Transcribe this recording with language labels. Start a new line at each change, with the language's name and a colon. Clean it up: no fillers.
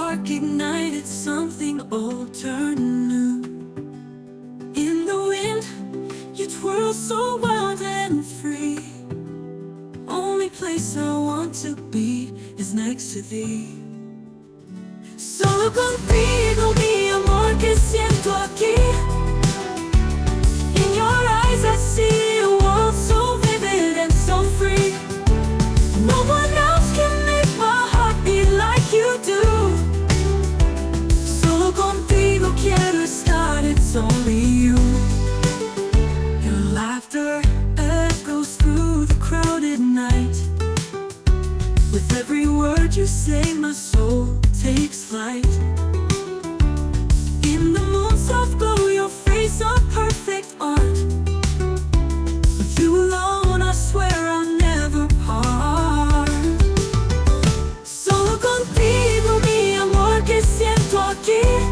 English: ignited something old turned new. In the wind, you twirl so wild and free. Only place I want to be is next to thee.
Spanish: Solo contigo, mi amor, que siento aquí.
English: In your eyes, I see a world so vivid and so free. No one else can make my heart beat like you do.
Spanish: Solo contigo, quiero estar,
English: it's only you. Your laughter echoes through the crowded night. With every word you say, my soul takes flight. In the moon soft glow, your face a perfect art. With you alone, I swear I'll never part.
Spanish: Solo contigo, mi amor, que siento aquí.